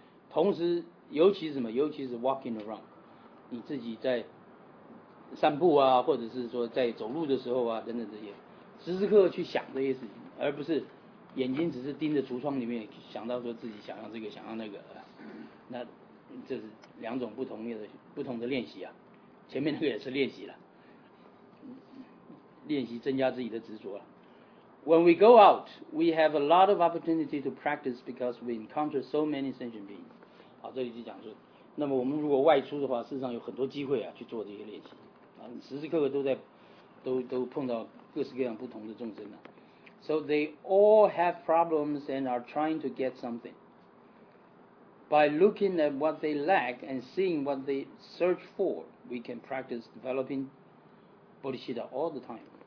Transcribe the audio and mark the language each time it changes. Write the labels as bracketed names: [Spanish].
[Chinese] 同时尤其什么，尤其是 [English] walking around， [Chinese] 你自己在散步啊，或者是说在走路的时候啊等等，这些时时刻刻去想这些事情，而不是眼睛只是盯着橱窗里面想到说自己想要这个想要那个，那这是两种不同的练习啊。前面那个也是练习了，练习增加自己的执着。 [English] When we go out, we have a lot of opportunity to practice because we encounter so many sentient beings。 [Chinese] 好，这里就讲说，那么我们如果外出的话，事实上有很多机会啊去做这些练习啊，时时刻刻都碰到各式各样不同的众生啊。 [English] So they all have problems and are trying to get something. By looking at what they lack and seeing what they search for, we can practice developing bodhicitta all the time。